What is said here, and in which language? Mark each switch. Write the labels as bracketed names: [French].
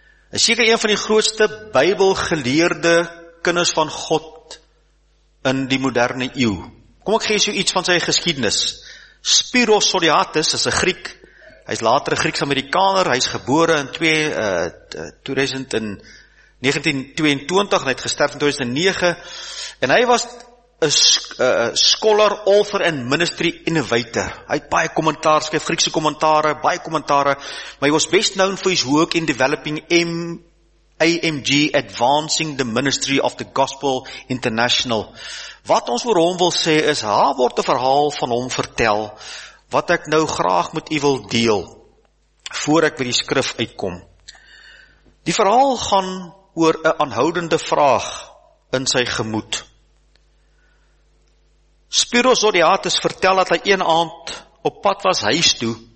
[Afrikaans] Is seker een van die grootste Bybelgeleerde kinders van God in die moderne eeu. Kom ek gee jou iets van sy geskiedenis. Spyros Zodiates is 'n Griek. Hy is later 'n Grieks-Amerikaner, hy is gebore in 1922 en hy het gesterf in 2009. En hy was 'n [English] scholar, author [Afrikaans] en [English] ministry innovator. [Afrikaans] Hy het baie kommentaar, skryf Griekse kommentare, baie kommentare. Maar hy [English] was best known for his work in developing AMG, Advancing the Ministry of the Gospel International. [Afrikaans] Wat ons oor hom wil sê is, haar word 'n verhaal van hom vertel, wat ek nou graag met u wil deel, voor ek by die skrif uitkom. Die verhaal gaan oor 'n aanhoudende vraag in sy gemoed. Spyros Zodiates vertel dat hy een aand op pad was huis toe.